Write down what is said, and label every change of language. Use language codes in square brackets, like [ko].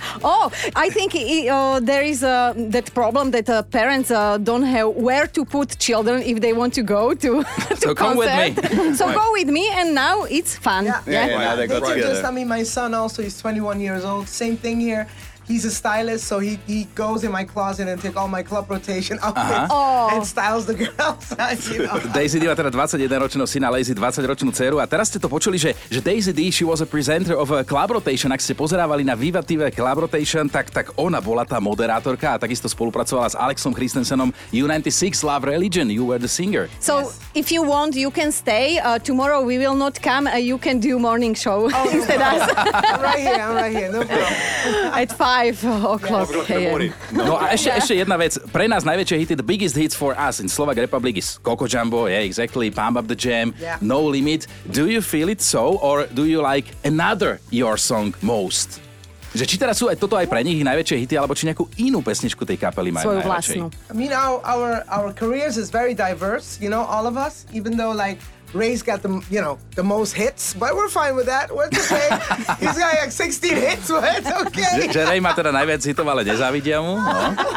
[en] Oh, I think there is that problem that parents don't have where to put children if they want to go to so concert. Come with me. So right. Go with me, and now it's fun. I mean, my son also is 21 years old. Same thing here. He's a stylist, so he goes in my closet and take all my club rotation outfits and styles the girls. You know? [sk] Daisy D má teda 21-ročného syna, Lazy 20-ročnú dceru. A teraz ste to počuli, že Daisy D, [en] she was a presenter of a club rotation. [sk] Ak ste pozerávali na Viva TV club rotation, tak ona bola tá moderátorka a takisto spolupracovala s Alexom Christensenom. [en] U96, Love Religion, you were the singer. So, yes. If you want, you can stay. Tomorrow we will not come. You can do morning show instead of us. I'm right here, no problem. 5 o'clock. [sk] Yeah, no a ešte jedna vec. Pre nás najväčšie hity, [en] the biggest hits for us in Slovak Republic is Coco Jumbo, yeah, exactly, Pump Up the Jam, yeah. No Limit. Do you feel it so, or do you like another your song most? [sk] Že či teraz sú aj toto aj pre nich najväčšie hity, alebo či nejakú inú pesničku tej kapely majú najväčšie? Svoju vlastnú. [en] I mean, our careers is very diverse, you know, all of us, even though, like, Ray's got the, you know, the most hits, but we're fine with that. What to say? He's got like 16 hits, but it's okay. [sk] Že Ray má teda najviac hitov, ale nezávidia mu. No.